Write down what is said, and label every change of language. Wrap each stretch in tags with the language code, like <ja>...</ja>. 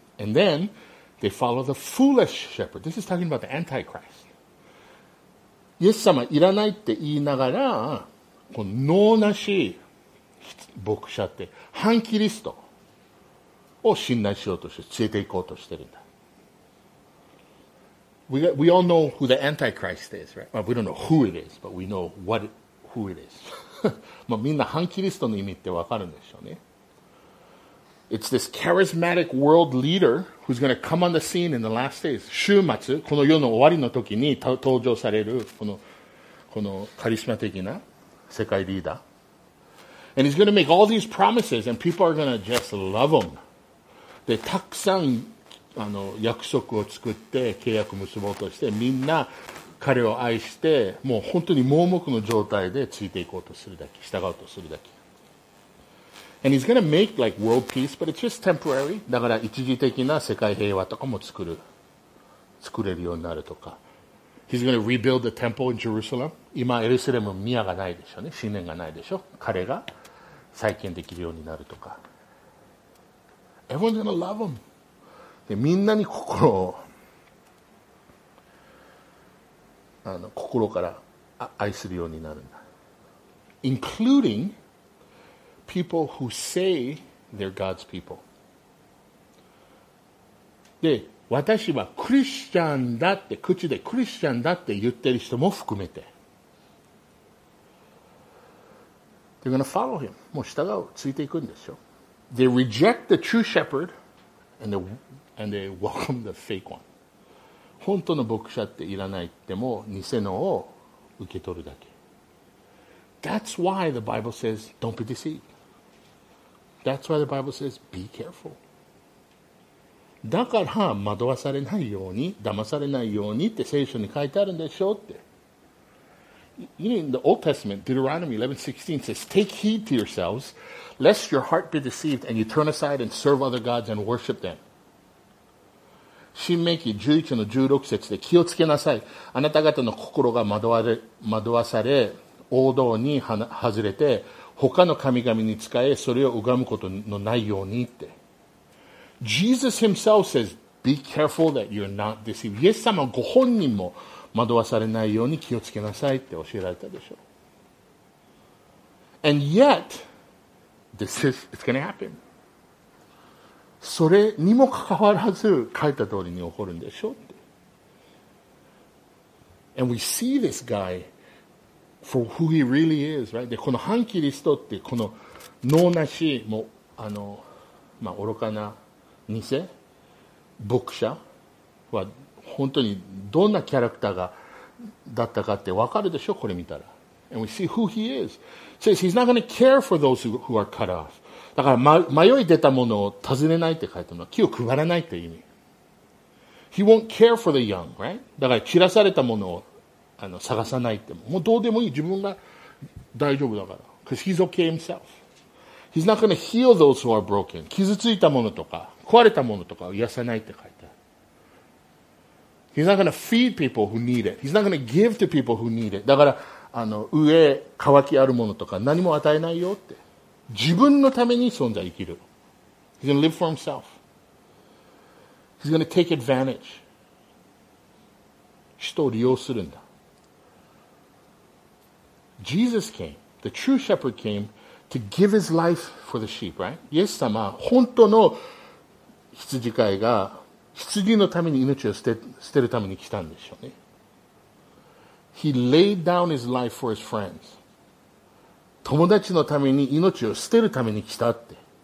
<en>And then, they follow the foolish shepherd. This is talking about the Antichrist.</en> <ja>イエス様いらないって言いながら、この能なし牧者って、反キリストを信頼しようとして、連れて行こうとしてるんだ。</ja> <en>We all know who the Antichrist is, right? Well, we don't know who it is, but we know who it is.</en> <ja>まあ、みんな反キリストの意味ってわかるんでしょうね。</ja> <en>It's this charismatic world leader who's going to come on the scene in the last days.</en> <ja>週末、この世の終わりの時に登場されるこのカリスマ的な世界リーダー。</ja> <en>And he's going to make all these promises and people are going to just love him.</en> <ja>でたくさん約束を作って契約結ぼうとして、みんな彼を愛して、もう本当に盲目の状態でついていこうとするだけ、従うとするだけ。</ja> <en>And he's gonna make like world peace, but it's just temporary.</en> <ja>だから一時的な世界平和とかも作れるようになるとか。</ja> <en>He's gonna rebuild the temple in Jerusalem.</en> <ja>今エルサレム宮がないでしょうね、神殿がないでしょ、彼が再建できるようになるとか。</ja> <en>Everyone's gonna love him.</en> <ja>で、みんなに心から愛するようになるんだ。</ja> <en>Including people who say they're God's people.</en> <ja>で、私はクリスチャンだって、口でクリスチャンだって言ってる人も含めて。</ja> <en>They're gonna follow him.</en> <ja>もう従う、ついていくんですよ。</ja> <en>They reject the true shepherd and they welcome the fake one.</en> <ja>本当の牧者っていらないって、もう偽のを受け取るだけ。</ja> <en>That's why the Bible says, don't be deceived. That's why the Bible says, be careful.</en> <ja>だから惑わされないように、騙されないようにって聖書に書いてあるんでしょうって。</ja> <en>You know, in the Old Testament, Deuteronomy 11:16 says, take heed to yourselves, lest your heart be deceived, and you turn aside and serve other gods and worship them.</en> <ja>新命記11の16節で、気をつけなさい。あなた方の心が惑わされ、王道に外れて、他の神々に仕え、それを拝むことのないようにって。</ja> <en>Jesus himself says, be careful that you're not deceived.</en> <ja>イエス様ご本人も、惑わされないように気をつけなさいって教えられたでしょう。</ja> <en>And yet, this is it's going to happen.</en> <ja>それにもかかわらず書いた通りに起こるんでしょうって。</ja> <en>And we see this guy for who he really is, right?</en> <ja>で、この反キリストって、この能なし、もう愚かな偽牧者は、本当にどんなキャラクターがだったかって分かるでしょ、これ見たら。</ja> <en>And we see who he is. It says he's not going to care for those who are cut off.</en> <ja>だから、迷い出たものを尋ねないって書いてあるの。木を配らないって意味。</ja> <en>He won't care for the young, right?</en> <ja>だから、散らされたものを探さないって。もうどうでもいい。自分が大丈夫だから。</ja> <en>Because he's okay himself. He's not going to heal those who are broken.</en> <ja>傷ついたものとか、壊れたものとかを癒さないって書いてある。</ja> <en>He's not going to feed people who need it. He's not going to give to people who need it.</en> <ja>だから、あの、飢え、渇きあるものとか何も与えないよって。自分のために存在生きる。</ja> <en>He's going to live for himself. He's going to take advantage.</en> <ja>人を利用するんだ。</ja> <en>Jesus came, the true shepherd came to give his life for the sheep, right?</en> <ja>イエス様、本当の羊飼いが羊のために命を捨てるために来たんでしょうね。</ja> <en>He laid down his life for his friends.</en> <ja>友達のために命を捨てるために来たって。</ja>